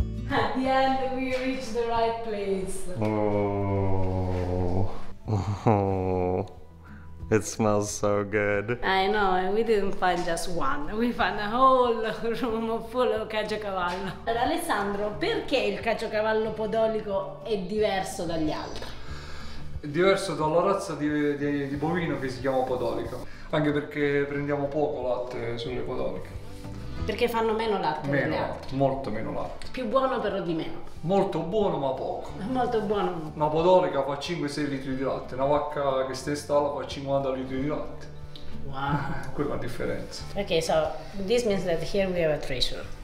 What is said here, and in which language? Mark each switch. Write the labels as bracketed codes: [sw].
[en] At the end, we reach the right place. Oh, it smells so good. I know, and we didn't find just one. We found a whole room full of caciocavallo. [it] Allora, Alessandro, perché il caciocavallo podolico è diverso dagli altri? È diverso dalla razza di bovino che si chiama podolico. Anche perché prendiamo poco latte sulle podoliche. Perché fanno meno latte? Meno latte, altre. Molto meno latte. Più buono però di meno. Molto buono ma poco. Molto buono. Una podolica fa 5-6 litri di latte, una vacca che sta in stalla fa 50 litri di latte. Wow. Quella differenza. [en] Ok, so this means that here we have a treasure.